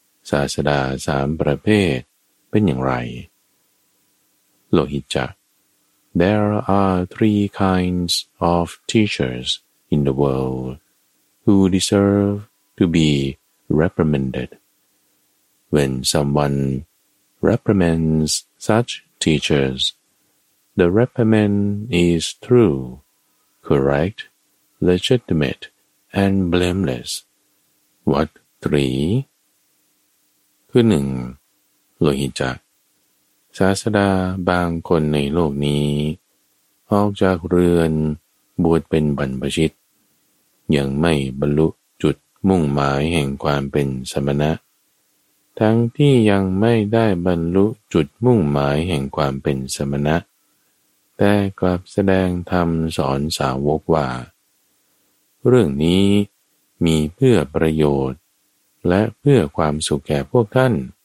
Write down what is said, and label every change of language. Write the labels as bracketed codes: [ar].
[th] ศาสดา3ประเภทเป็นอย่างไร [en] Lohicca There are three kinds of teachers in the world who deserve to be reprimanded. When someone reprimands such teachers, the reprimand is true, correct, legitimate, and blameless. What three? [th] คือ 1. Lohicca ศาสดาบางคนในโลกนี้ออกจากเรือนบวชเป็นบรรพชิตยังไม่บรรลุจุดมุ่งหมายแห่งความเป็นสมณะทั้งที่ยังไม่ได้บรรลุจุดมุ่งหมายแห่งความเป็นสมณะแต่กลับแสดงธรรมสอนสาวกว่าเรื่องนี้มีเพื่อประโยชน์และเพื่อความสุขแก่พวกท่าน